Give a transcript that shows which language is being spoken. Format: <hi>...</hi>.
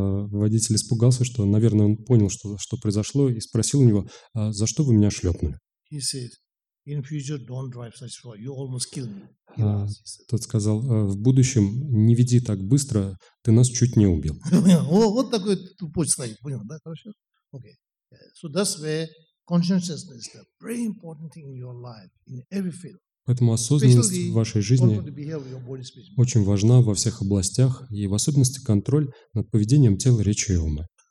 <ru>Водитель испугался, что, наверное, он понял, что произошло, и спросил у него: «За что вы меня шлепнули?»</ru> <en>He said, "In future, don't drive such far. You almost killed me."</en> <ru>Тот сказал: «В будущем не веди так быстро. Ты нас чуть не убил». Вот такой тупой стоит. Понял, да? Хорошо. Okay.</ru> <en>So that's where consciousness is the very important thing in your life, in every field.</en> <ru>Поэтому осознанность в вашей жизни очень важна во всех областях, и в особенности контроль над поведением тела, речи и ума.</ru>